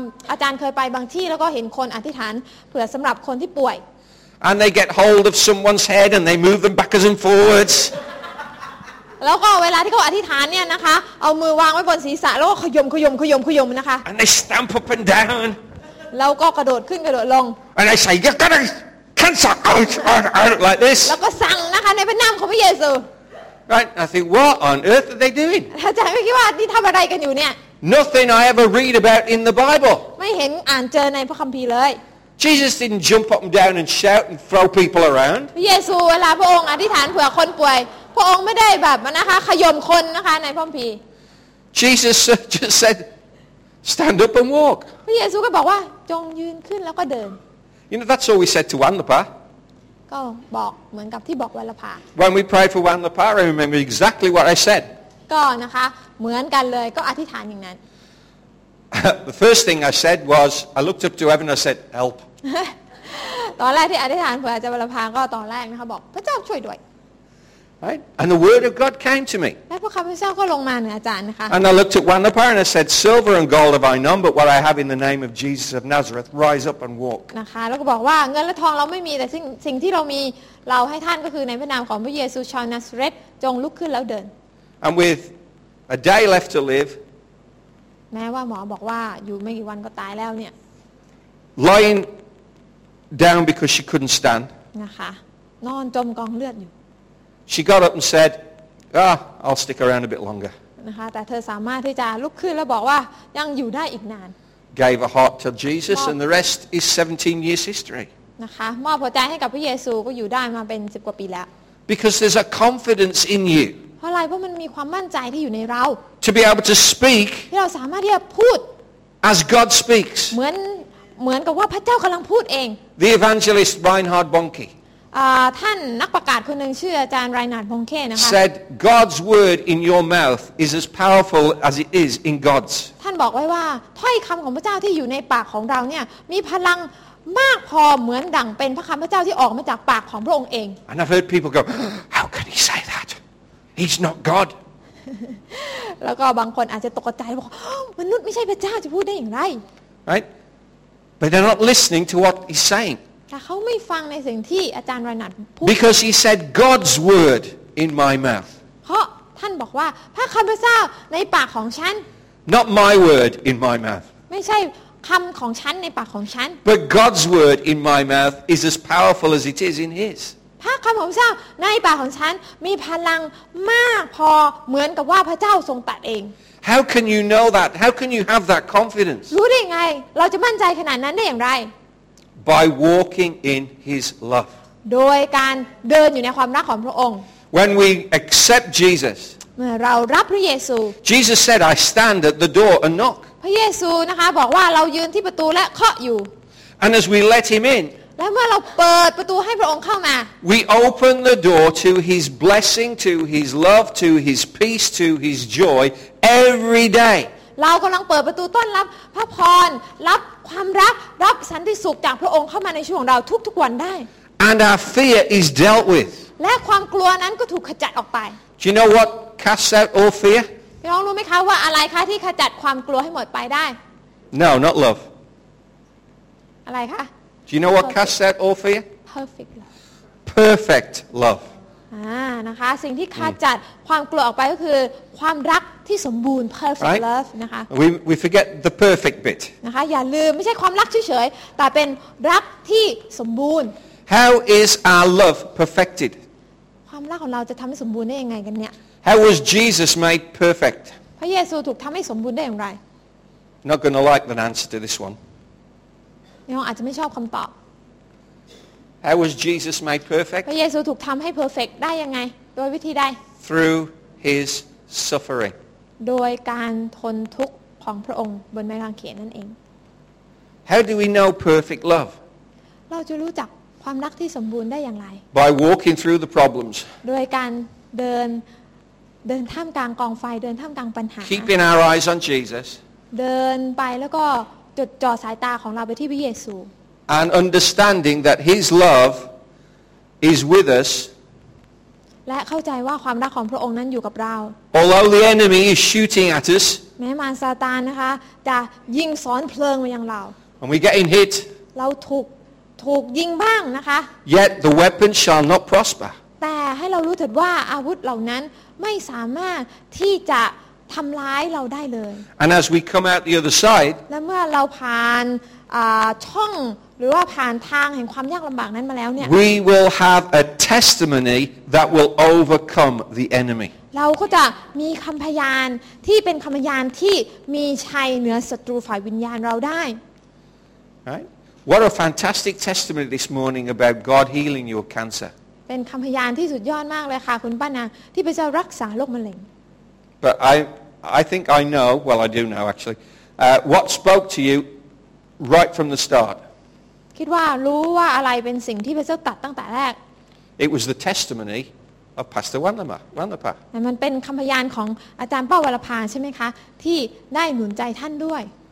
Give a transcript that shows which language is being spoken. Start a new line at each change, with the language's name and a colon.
Thai: อาจารย์เคยไปบางที่แล้วก็เห็นคนอธิษฐานเผื่อสำหรับคนที่ป่วย
English: And they get hold of someone's head and they move them backwards and forwards
Thai: แล้วก็เวลาที่เขาอธิษฐานเนี่ยนะคะเอามือวางไว้บนศีรษะแล้วก็ขยมขยมขยมขยมนะคะ
English: And they stamp up and down
Thai: แล้วก็กระโดดขึ้นกระโดดลง
English: And I say you're gonna cancer out like this
Thai: แล้วก็สั่งนะคะในพระนามของพระเยซู
English: Right I think what on earth are they doing
Thai: อาจารย์ไม่คิดว่านี่ทำอะไรกันอยู่เนี่ย
English: Nothing I ever read about in the Bible
Thai: ไม่เห็นอ่านเจอในพระคัมภีร์เลย
English: Jesus didn't jump up and down and shout and throw people around.
Thai: พระเยซูเวลาพระองค์อธิษฐานเผื่อคนป่วยพระองค์ไม่ได้แบบนะคะขย่มคนนะคะในพระคัมภีร์
English: Jesus just said stand up and walk.
Thai: พระเยซูก็บอกว่าจงยืนขึ้นแล้วก็เดิน
English: You know that's all we said to Wanlapa.
Thai: ก็บอกเหมือนกับที่บอกวัลลภา
English: When we prayed for Wanlapa, I remember exactly what I said.
Thai: ก็นะคะเหมือนกันเลยก็อธิษฐานอย่างนั้น
English: The first thing I said was, I looked up to heaven. I said, "Help."
Thai: ตอนแรกที่อธิษฐานเผื่อจะบรรพาก็ตอนแรกนะคะบอกพระเจ้าช่วยด้วย
English: Right? And the word of God came to me.
Thai: และพระคำพระเจ้าก็ลงมาเหนืออาจารย์นะคะ
English: And I looked at Wanlapa and I said, "Silver and gold have I none, but what I have in the name of Jesus of Nazareth, rise up and walk."
Thai: นะคะแล้วก็บอกว่าเงินและทองเราไม่มีแต่สิ่งที่เรามีเราให้ท่านก็คือในพระนามของพระเยซูชาวนาซาเรธจงลุกขึ้นแล้วเดิน
English: And with a day left to live.
Thai: แม้ว่าหมอบอกว่าอยู่ไม่กี่วันก็ตายแล้วเนี่ย
English: lying down because she couldn't stand
Thai: นะคะนอนจมกองเลือดอยู่
English: she got up and said I'll stick around a bit longer
Thai: นะคะแต่เธอสามารถที่จะลุกขึ้นแล้วบอกว่ายังอยู่ได้อีกนาน
English: gave her heart to Jesus and the rest is 17 years history
Thai: นะคะมอบหัวใจให้กับพระเยซูก็อยู่ได้มาเป็น10กว่าปีแล้ว
English: because there's a confidence in you
Thai: เพราะอะไรเพราะมันมีความมั่นใจที่อยู่ในเรา
English: To be able to speak
Thai: ที่เราสามารถที่จะพูด
English: As God speaks
Thai: เหมือนกับว่าพระเจ้ากำลังพูดเอง
English: The evangelist Reinhard Bonnke
Thai: ท่านนักประกาศคนหนึ่งชื่ออาจารย์ Reinhard Bonnke นะคะ
English: Said God's word in your mouth is as powerful as it is in God's
Thai: ท่านบอกไว้ว่าถ้อยคำของพระเจ้าที่อยู่ในปากของเราเนี่ยมีพลังมากพอเหมือนดั่งเป็นพระคำพระเจ้าที่ออกมาจากปากของพระองค์เอง
English: And I've heard people go How can he say thatHe's not God.
Thai: แล้วก็บางคนอาจจะตกใจบอกมนุษย์ไม่ใช่พระเจ้าจะพูดได้อย่างไร
English: Right? But they're not listening to what he's saying.
Thai: แต่เขาไม่ฟังในสิ่งที่อาจารย์ไรนัทพูด
English: Because he said God's word in my mouth.
Thai: เพราะท่านบอกว่าพระคำพระเจ้าในปากของฉัน
English: Not my word in my mouth.
Thai: ไม่ใช่คำของฉันในปากของฉัน
English: But God's word in my mouth is as powerful as it is in His.
Thai: ถ้าคำของเจ้าในปากของฉันมีพลังมากพอเหมือนกับว่าพระเจ้าทรงตรัสเอง
English: How can you know that? How can you have that confidence?
Thai: รู้ได้ไงเราจะมั่นใจขนาดนั้นได้อย่างไร
English: By walking in His love.
Thai: โดยการเดินอยู่ในความรักของพระองค์
English: When we accept Jesus.
Thai: เมื่อเรารับพระเยซู
English: Jesus said, "I stand at the door and knock."
Thai: พระเยซูนะคะบอกว่าเรายืนที่ประตูและเคาะอยู่
English: And as we let Him in.
Thai: แล้วเมื่อเราเปิดประตูให้พระองค์เข้ามา
English: We open the door to His blessing, to His love, to His peace, to His joy every day
Thai: รากำลังเปิดประตูต้อนรับพระพรรับความรักรับสันติสุขจากพระองค์เข้ามาในชีวิตของเราทุกๆวันได้
English: And our fear is dealt with
Thai: และความกลัวนั้นก็ถูกขจัดออกไป
English: Do you know what casts out all fear
Thai: พี่น้องรู้ไหมคะว่าอะไรคะที่ขจัดความกลัวให้หมดไปได้
English: No not love
Thai: อะไรคะ
English: Do you know what casts out all fear Perfect love Perfect love
Thai: นะคะสิ่งที่ขจัดความกลัวออกไปก็คือความรักที่สมบูรณ์ perfect
English: right?
Thai: love นะคะ
English: we forget the perfect bit
Thai: นะคะอย่าลืมไม่ใช่ความรักเฉยๆแต่เป็นรักที่สมบูรณ์
English: How is our love perfected
Thai: ความรักของเราจะทำให้สมบูรณ์ได้ยังไงกันเนี่ย
English: How was Jesus made perfect
Thai: พระเยซูถูกทำให้สมบูรณ์ได้อย่างไร
English: Not gonna like the answer to this one
Thai: เนี่ยอาจจะไม่ชอบคำตอบ
English: How was Jesus made perfect?
Thai: พระเยซูถูกทำให้เพอร์เฟคได้ยังไงโดยวิธีใด
English: Through his suffering.
Thai: โดยการทนทุกข์ของพระองค์บนไม้กางเขนนั่นเอง
English: How do we know perfect love?
Thai: เราจะรู้จักความรักที่สมบูรณ์ได้อย่างไร
English: By walking through the problems.
Thai: โดยการเดินท่ามกลางกองไฟเดินท่ามกลางปัญหา
English: Keeping our eyes on Jesus.
Thai: เดินไปแล้วก็จดจ่อสายตาของเราไปที่พระเยซู
English: And understanding that His love is with us.
Thai: และเข้าใจว่าความรักของพระองค์นั้นอยู่กับเรา
English: Although the enemy is shooting at us.
Thai: แม้มารซาตานนะคะจะยิงสอนเพลิงมายังเรา
English: And we get in hit.
Thai: เราถูกยิงบ้างนะคะ
English: Yet the weapon shall not prosper.
Thai: แต่ให้เรารู้เถิดว่าอาวุธเหล่านั้นไม่สามารถที่จะทำร้ายเราได้เลย
English: And as we come out the other side.
Thai: และเมื่อเราผ่านช่องหรือว่าผ่านทางแห่งความยากลำบากนั้นมาแล้วเนี่ย
English: We will have a testimony that will overcome the enemy
Thai: เราก็จะมีคำพยานที่เป็นคำพยานที่มีชัยเหนือศัตรูฝ่ายวิญญาณเราได้
English: Right What a fantastic testimony this morning about God healing your cancer
Thai: เป็นคำพยานที่สุดยอดมากเลยค่ะคุณป้านางที่พระเจ้ารักษาโรคมะเร็ง
English: But I think I know well I do know actually what spoke to you right from the start
Thai: คิดว่ารู้ว่าอะไรเป็นสิ่งที่พระเจ้าตัดตั้งแต่แรก
English: It was the testimony of Pastor Wanlapa.
Thai: มันเป็นคำพยานของอาจารย์ป้าวรภาใช่ไหมคะที่ได้หนุนใจท่านด้วย